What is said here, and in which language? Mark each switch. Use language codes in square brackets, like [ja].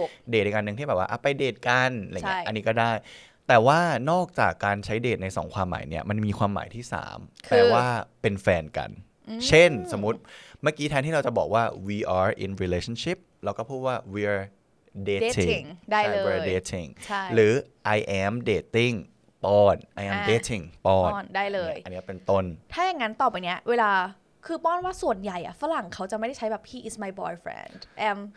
[th] เดทในการหนึ่งที่แบบว่าไปเดทกันอะไรเงี้ยอันนี้ก็ได้แต่ว่านอกจากการใช้เดทในสองความหมายเนี่ยมันมีความหมายที่สามแปลว่าเป็นแฟนกันเช่นสมมติเมื่อกี้แทนที่เราจะบอกว่า [en] we are in relationship [th] เราก็พูดว่า [en] we are dating [th] ได้เลย [en] we're dating หรือ I am datingปอน I am dating ปอน [th] ได้เลย อันนี้เป็นต้น ถ้าอย่างนั้นต่อไปเนี้ยเวลาคือป้อนว่าส่วนใหญ่อ่ะฝรั่งเขาจะไม่ได้ใช้แบบ [en] he is my boyfriend am